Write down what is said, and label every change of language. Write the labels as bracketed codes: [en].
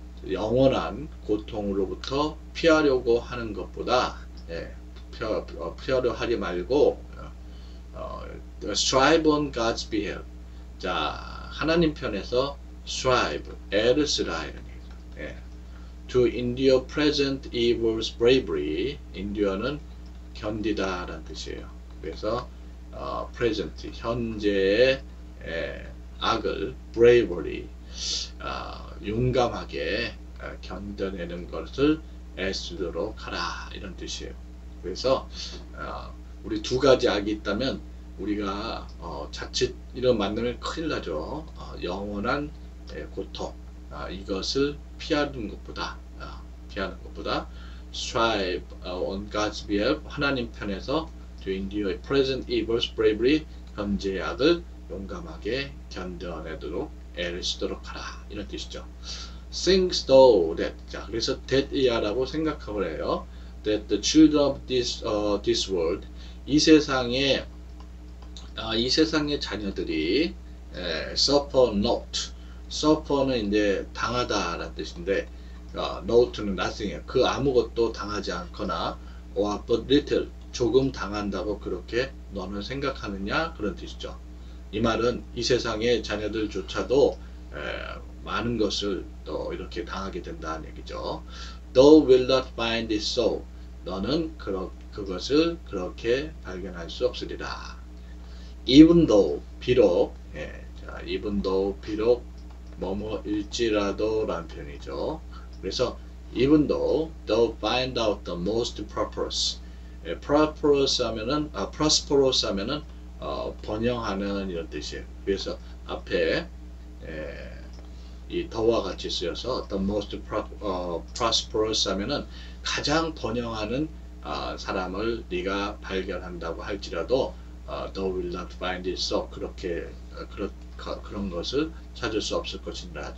[ko] 영원한 고통으로부터 피하려고 하는 것보다 예, 피하려 하지 말고 [en] strive on God's behalf. [ko] 자, 하나님 편에서 strive, 애를 쓰라 이런 얘기죠. 예. [en] To endure present evils bravely. [ko] Endure는 견디다 라는 뜻이에요. 그래서 present, 현재의 예, 악을 bravely, 용감하게 견뎌내는 것을 애쓰도록 하라 이런 뜻이에요. 그래서 우리 두 가지 악이 있다면 우리가 자칫 이런 만나면 큰일 나죠. 영원한 고통, 이것을 피하는 것보다 피하는 것보다 [en] strive on God's behalf, [ko] 하나님 편에서 [en] to endure present evils bravely, [ko] 현재의 악을 용감하게 견뎌내도록 애를 쓰도록 하라 이런 뜻이죠. [en] Think though that, [ko] 자, 그래서 that이야라고 생각하고 해요. [en] That the children of this world, [ko] 이 세상의 자녀들이 suffer not, suffer는 이제 당하다라는 뜻인데, not는 nothing이에요. 그 아무것도 당하지 않거나, [en] or but little, [ko] 조금 당한다고 그렇게 너는 생각하느냐 그런 뜻이죠. 이 말은 이 세상의 자녀들조차도 많은 것을 또 이렇게 당하게 된다는 얘기죠. [en] Thou will not find it so. [ko] 너는 그것을 그렇게 발견할 수 없으리라. Even though, 비록, 예, 자, even though, 비록, 뭐뭐일지라도 라는 표현이죠. [en] 그래서, even though, thou find out the most prosperous. [ko] 예, prosperous 하면은, prosperous 하면은, 번영하는 이런 뜻이에요. 그래서, 앞에, 예, 이 더와 같이 쓰여서 the most prosperous 하면은 가장 번영하는 사람을 네가 발견한다고 할지라도 [en] thou will not find it so, [ko] 그렇게 그런 것을 찾을 수 없을 것이다.